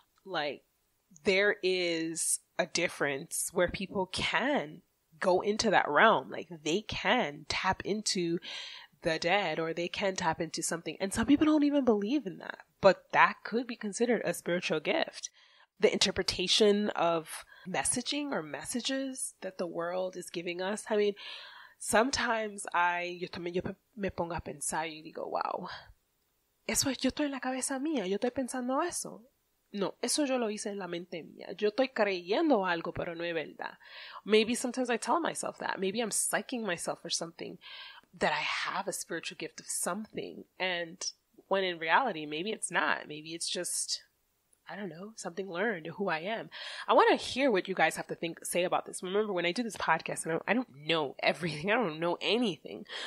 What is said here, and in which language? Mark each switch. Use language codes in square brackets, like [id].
[en] Like, there is a difference where people can go into that realm. Like, they can tap into the dead, or they can tap into something. And some people don't even believe in that. But that could be considered a spiritual gift. The interpretation of messaging or messages that the world is giving us. I mean, sometimes I [es] me pongo a pensar y digo, wow, eso es, yo estoy en la cabeza mía, yo estoy pensando eso. No, eso yo lo hice en la mente mía. Yo estoy creyendo algo, pero no es verdad. [en] Maybe sometimes I tell myself that. Maybe I'm psyching myself for something, that I have a spiritual gift of something. And when in reality, maybe it's not. Maybe it's just, I don't know, something learned, who I am. I want to hear what you guys have to think, say about this. Remember, when I do this podcast, I don't know everything. I don't know anything.